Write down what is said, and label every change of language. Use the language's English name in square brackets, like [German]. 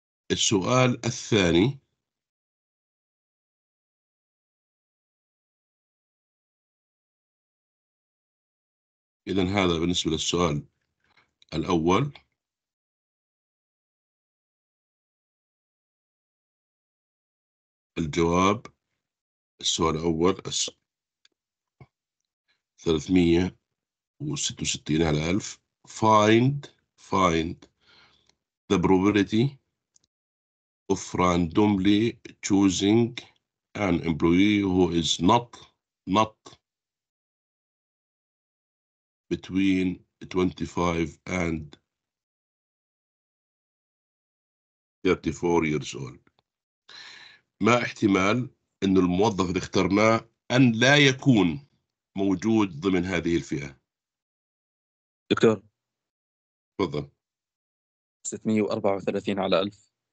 [Arabic] السؤال الثاني، إذن هذا بالنسبة للسؤال الأول. الجواب السؤال الأول 366 على 1,000. [English] Find the probability of randomly choosing an employee who is not between 25 and 34 years old. [Arabic] ما احتمال ان الموظف اللي اخترناه ان لا يكون موجود ضمن هذه الفئة؟ دكتور تفضل. 634 على 1,000.